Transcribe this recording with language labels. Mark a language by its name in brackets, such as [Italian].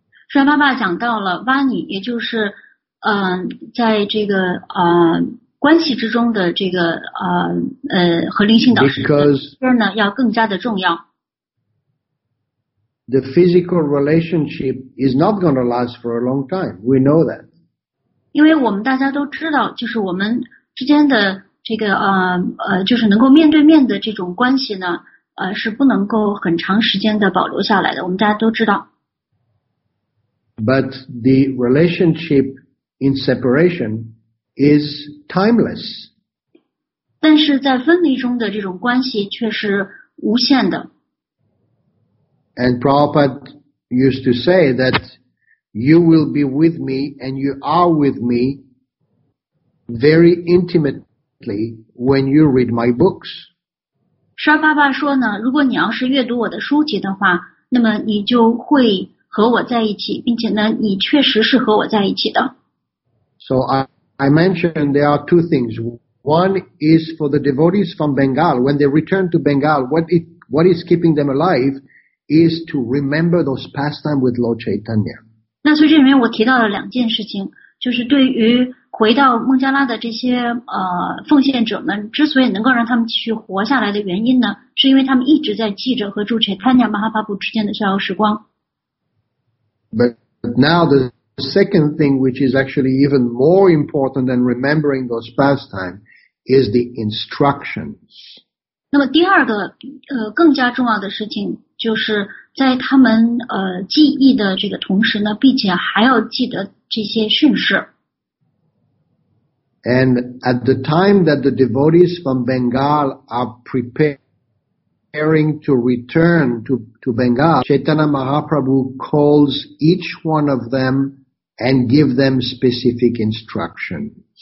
[Chinese] 舍巴巴讲到了 Vani 也就是在这个关系之中的这个和灵性导师这呢要更加的重要。 [English] The physical relationship is not going to last for a long time. We know that. [Chinese] 因为我们大家都知道就是我们之间的这个就是能够面对面的这种关系呢是不能够很长时间的保留下来的，我们大家都知道。 [English] But the relationship in separation is timeless. [Chinese] 但是在分离中的这种关系却是无限的。 [English] And Prabhupada used to say that you will be with me and you are with me very intimately. differently when you read my books. [Chinese] 沙巴巴说呢，如果你要是阅读我的书籍的话，那么你就会和我在一起，并且呢，你确实是和我在一起的。 [English] So I mentioned there are two things. One is for the devotees from Bengal. When they return to Bengal, what is keeping them alive is to remember those pastimes with Lord Chaitanya. [Chinese] 那所以这里面我提到了两件事情，就是对于回到孟加拉的这些奉献者们，之所以能够让他们继续活下来的原因呢，是因为他们一直在记着和住持 Tanya Mahaprabhu 之间的逍遥时光。 [English] But now the second thing, which is actually even more important than remembering those pastimes, is the instructions. [Chinese] 那么第二个更加重要的事情，就是在他们记忆的这个同时呢，并且还要记得这些训示。 [English] And at the time that the devotees from Bengal are preparing to return to Bengal, Chaitanya Mahaprabhu calls each one of them and give them specific instructions.